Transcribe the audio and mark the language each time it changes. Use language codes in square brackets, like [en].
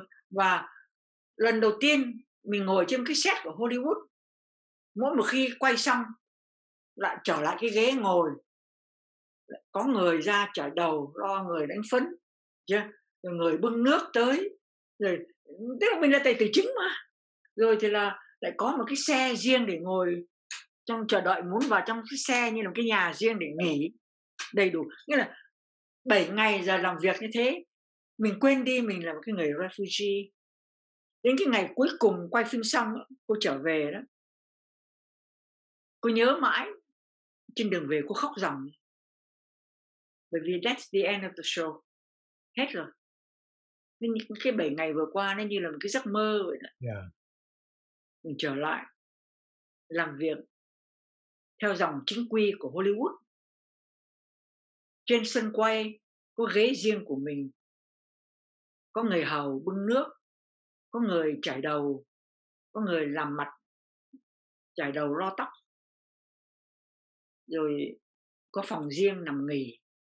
[vi] Và lần đầu tiên mình ngồi trên cái set của Hollywood, mỗi một khi quay xong lại trở lại cái ghế ngồi, có người ra chải đầu, lo người đánh phấn, rồi người bưng nước tới, rồi tức là mình là tài tử chính mà, rồi thì là lại có một cái xe riêng để ngồi trong chờ đợi, muốn vào trong cái xe như là một cái nhà riêng để nghỉ đầy đủ. Nghĩa là 7 ngày giờ làm việc như thế, mình quên đi mình là một cái người refugee. Đến cái ngày cuối cùng quay phim xong, cô trở về đó, cô nhớ mãi, trên đường về cô khóc ròng. Bởi vì [en] that's the end of the show. [vi] Hết rồi. Nên cái 7 ngày vừa qua nó như là một cái giấc mơ vậy đó. Yeah. Mình trở lại làm việc theo dòng chính quy của Hollywood. Trên sân quay có ghế riêng của mình, có người hầu bưng nước, có người chải đầu, có người làm mặt, chải đầu lo tóc, rồi có phòng riêng nằm nghỉ.